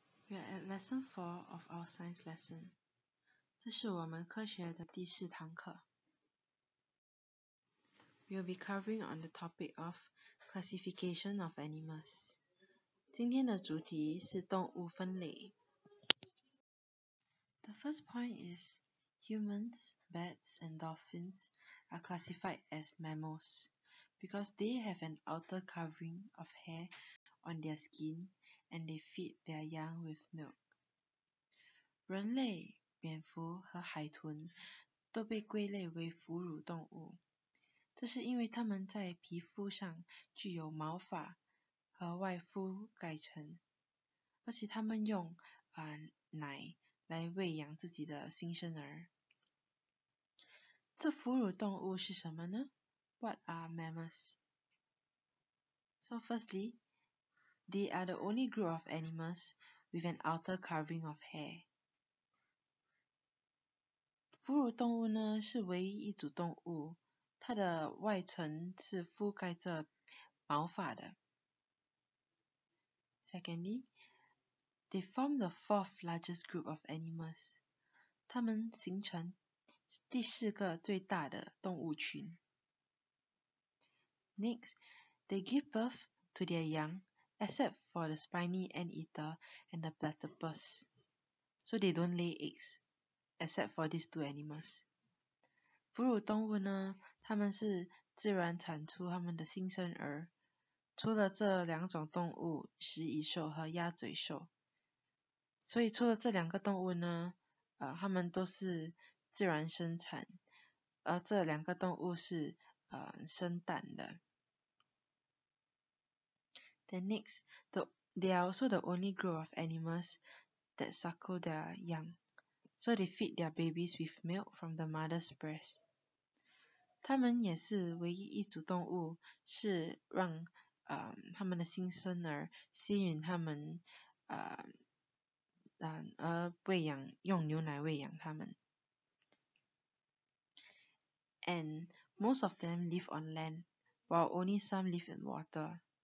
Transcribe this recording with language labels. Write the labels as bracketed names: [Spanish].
[English] We are at lesson 4 of our science lesson. [Chinese] 这是我们科学的第四堂课。 [English] We will be covering on the topic of classification of animals. [Chinese] 今天的主题是动物分类。 [English] The first point is humans, bats, and dolphins are classified as mammals because they have an outer covering of hair on their skin. And they feed their young with milk. [Chinese] 人类、蝙蝠和海豚都被归类为哺乳动物，这是因为它们在皮肤上具有毛发和外敷盖层，而且它们用奶来喂养自己的新生儿。这哺乳动物是什么呢？ [English] What are mammals? So firstly,They are the only group of animals with an outer covering of hair. [Chinese] 哺乳动物呢是唯一一组动物，它的外层是覆盖着毛发的。 [English] Secondly, they form the fourth largest group of animals. [Chinese] 它们形成第四个最大的动物群。 [English] Next, they give birth to their young. Except for the spiny anteater and the platypus. So they don't lay eggs, except for these two animals. [Chinese] 哺乳动物呢，它们是自然产出它们的新生儿，除了这两种动物，食蚁兽和鸭嘴兽。所以除了这两个动物呢，它们都是自然生产，而这两个动物是生蛋的。 [English] Then next, they are also the only group of animals that suckle their young. So they feed their babies with milk from the mother's breast. [Chinese] 他们也是唯一一组动物是让他们的新生儿吸吮他们而喂养用牛奶喂养他们。 [English] And most of them live on land, while only some live in water.